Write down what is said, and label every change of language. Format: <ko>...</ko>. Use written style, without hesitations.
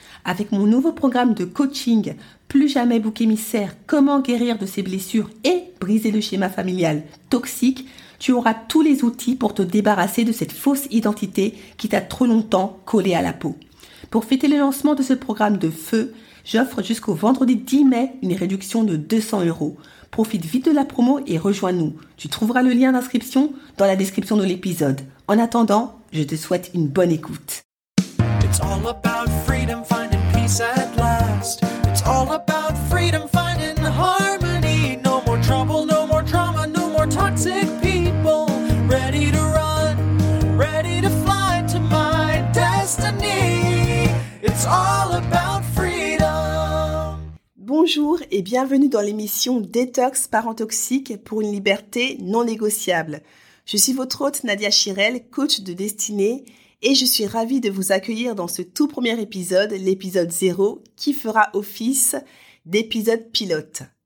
<fr>Avec mon nouveau programme de coaching « Plus jamais bouc émissaire, comment guérir de ses blessures et briser le schéma familial toxique », tu auras tous les outils pour te débarrasser de cette fausse identité qui t'a trop longtemps collé à la peau. Pour fêter le lancement de ce programme de feu, j'offre jusqu'au vendredi 10 mai une réduction de 200 €. Profite vite de la promo et rejoins-nous. Tu trouveras le lien d'inscription dans la description de l'épisode. En attendant, je te souhaite une bonne écoute.</fr> <en>It's all about freedom, finding peace at last. It's all about freedom, finding harmony. No more trouble, no more drama, no more toxic people. Ready to run, ready to fly to my destiny. It's all about freedom.</en> <fr>Bonjour et bienvenue dans l'émission Détox parents toxiques pour une liberté non négociable. Je suis votre hôte Nadia Chirel, coach de destinée. Et je suis ravie de vous accueillir dans ce tout premier épisode, l'épisode 0, qui fera office d'épisode pilote.</fr>